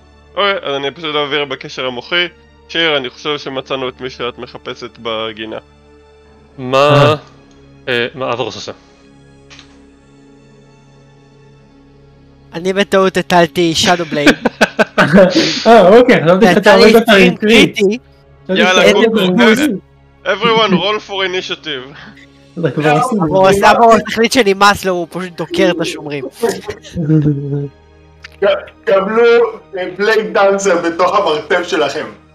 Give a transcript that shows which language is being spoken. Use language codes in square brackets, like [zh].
[he] אוקיי, אז אני פשוט אעביר בקשר המוחי. שיר, אני חושב שמצאנו את מי שאת מחפשת בגינה. מה... מה אברוס עושה? אני בטעות הטלתי שאדו בלייד. אוקיי, חשבתי שאתה עובד את הרינקריטי. [en] יאללה, everyone, roll for initiative. [he] הוא עשה אברוס, החליט שאני מס לו, הוא פשוט דוקר את השומרים. קבלו בלייד דאנסר בתוך המרתף שלכם.